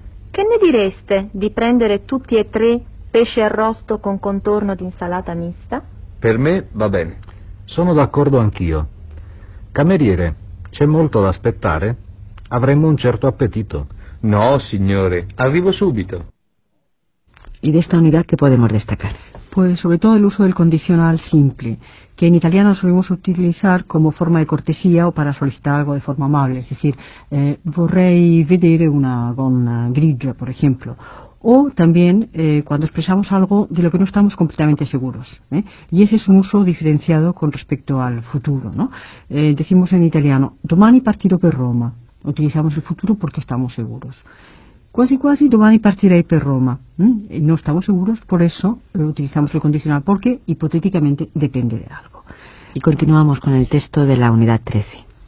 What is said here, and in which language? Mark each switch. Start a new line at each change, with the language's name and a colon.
Italian: Che ne direste di prendere tutti e tre pesce arrosto con contorno di insalata mista? Per me va bene. Sono d'accordo anch'io. Cameriere, c'è molto da aspettare? Avremmo un certo appetito. No, signore, arrivo subito.
Spanish: E di questa unità che possiamo destacare? Pues sobre todo el uso del condicional simple, que en italiano solemos utilizar como forma de cortesía o para solicitar algo de forma amable, es decir,
Italian: vorrei vedere una gonna grigia,
Spanish: por ejemplo, o también cuando expresamos algo de lo que no estamos completamente seguros, y ese es un uso diferenciado con respecto al futuro, ¿no? Decimos en italiano,
Italian: domani partirò per Roma,
Spanish: utilizamos el futuro porque estamos seguros.
Italian: Quasi quasi domani partirei per Roma.
Spanish: No estamos seguros, por eso utilizamos el condicional, porque hipotéticamente depende de algo. Y continuamos con el texto de la unidad 13.